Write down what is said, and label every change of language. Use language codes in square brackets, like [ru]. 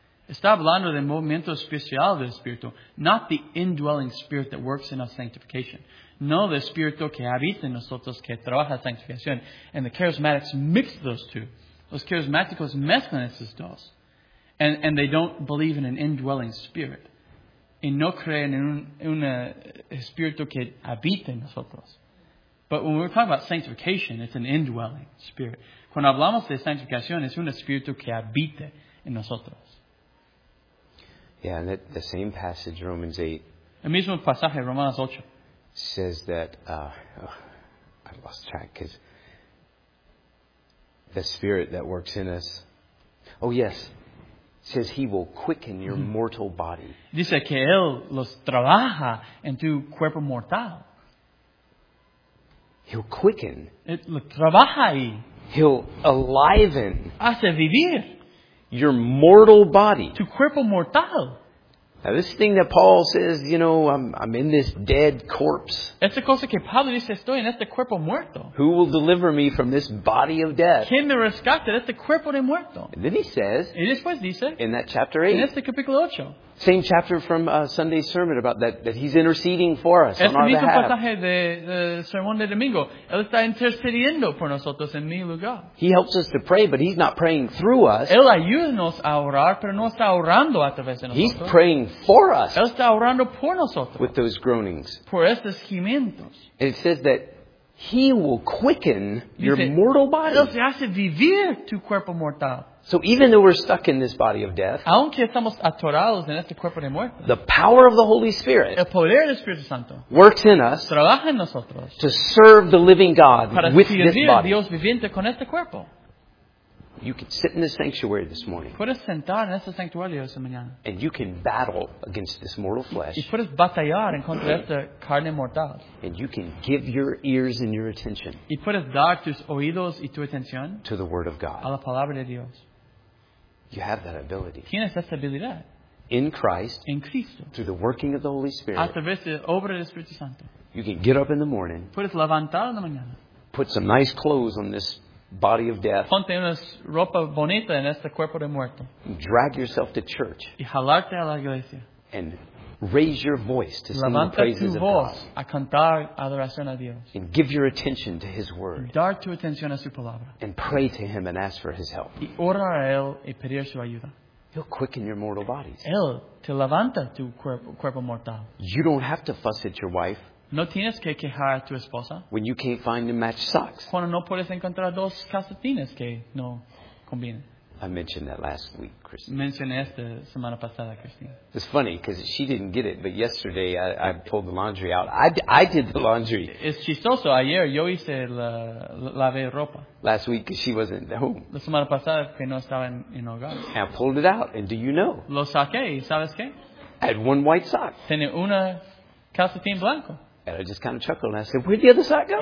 [es] Está hablando del movimiento especial del Espíritu, [en] not the indwelling Spirit that works in our sanctification. [es] No, the Espíritu que habita en nosotros, que trabaja sanctificación. [en] And the charismatics mix those two. [es] Los charismáticos mezclan esos dos. [en] And they don't believe in an indwelling Spirit. [es] Y no creen en un Espíritu que habita en nosotros. [en] But when we're talking about sanctification, it's an indwelling spirit. [es] Cuando hablamos de santificación, es un espíritu que habita en nosotros. [en] Yeah, and the same passage, Romans 8. [es] El mismo pasaje, Romanos 8. [en] Says that, I lost track, because the spirit that works in us. Oh, yes. Says he will quicken your mortal body. [es] Dice que él los trabaja en tu cuerpo mortal. [en] He'll quicken. [es] Lo trabaja ahí. [en] He'll aliven. [es] Hace vivir. [en] Your mortal body. [es] Tu cuerpo mortal. [en] Now this thing that Paul says, you know, I'm in this dead corpse. [es] Esta cosa que Pablo dice, estoy en este cuerpo muerto. [en] Who will deliver me from this body of death? [es] ¿Quién me rescata de este cuerpo de muerto? [en] And then he says, [es] y después dice, [en] in that chapter 8, [es] en este capítulo 8, [en] same chapter from Sunday's sermon about that he's interceding for us on our behalf. [es] Este mismo pasaje de sermón de domingo, él está intercediendo por nosotros en mi lugar. [en] He helps us to pray, but he's not praying through us. [es] Él ayúdanos a orar, pero no está orando a través de nosotros. [en] He's praying for us. [es] Él está orando por nosotros. [en] With those groanings. [es] Por estos gimientos. [en] And it says that he will quicken your mortal body. [es] Él se hace vivir tu cuerpo mortal. [en] So even though we're stuck in this body of death, [es] aunque estamos atorados en este cuerpo de muerte, [en] the power of the Holy Spirit, [es] el poder del Espíritu Santo, [en] works in us, [es] trabaja en nosotros, [en] to serve the living God [es] para [en] with this body. [es] Dios viviente con este cuerpo. [en] You can sit in the sanctuary this morning. [es] Puedes sentar en este santuario esta mañana. [en] And you can battle against this mortal flesh. [es] Y puedes batallar en contra de esta carne mortal. [en] And you can give your ears and your attention. [es] Y puedes dar tus oídos y tu atención. [en] To the Word of God. [es] A la palabra de Dios. [en] You have that ability. [es] Tienes esta habilidad. [en] In Christ. [es] En Cristo. [en] Through the working of the Holy Spirit. [es] A través de la obra del Espíritu Santo. [en] You can get up in the morning. [es] Puedes levantar en la mañana. [en] Put some nice clothes on this body of death. [es] Ponte una ropa bonita en este cuerpo de muerto. [en] Drag yourself to church. [es] Y jalarte a la iglesia. [en] And raise your voice to [es] levanta [en] sing the praises [es] tu voz [en] of God. [es] A cantar adoración a Dios. [en] And give your attention to His Word. [es] Dar tu atención a su palabra. [en] And pray to Him and ask for His help. [es] Y orar a Él y pedir su ayuda. [en] He'll quicken your mortal bodies. [es] Él te levanta tu cuerpo mortal. [en] You don't have to fuss at your wife. [es] No tienes que quejar a tu esposa. [en] When you can't find the matched socks. [es] Cuando no puedes encontrar dos calcetines que no combinen. [en] I mentioned that last week, Christine. [es] Mencioné esta semana pasada, Christine. [en] It's funny because she didn't get it, but yesterday I pulled the laundry out. I did the laundry. [es] Es chistoso. Ayer yo hice la lavé ropa. [en] Last week because she wasn't home. [es] La semana pasada que no estaba en hogar. [en] And I pulled it out, and do you know? [es] Lo saqué. ¿Sabes qué? [en] I had one white sock. [es] Tiene una calcetín blanco. [en] And I just kind of chuckled and I said, where'd the other sock go?